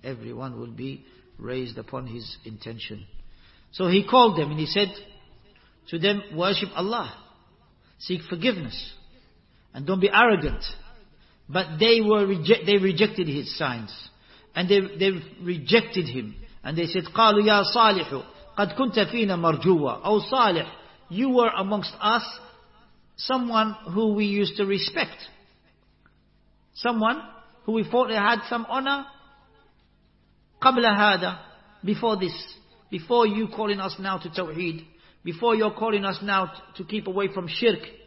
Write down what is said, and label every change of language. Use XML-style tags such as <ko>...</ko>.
<en>Everyone will be raised upon his intention. So he called them and he said to them, worship Allah, seek forgiveness, and don't be arrogant. But they rejected his signs. And they rejected him. And they said,</en> <ar>قَالُوا يَا صَالِحُ قَدْ كُنْتَ فِينَ مَرْجُوَّ.</ar> <en>O Salih, you were amongst us someone who we used to respect. Someone who we thought they had some honor.</en> <ar>قَبْلَ هَذَا.</ar> <en>Before this. Before you calling us now to Tawheed. Before you're calling us now to keep away from shirk.</en>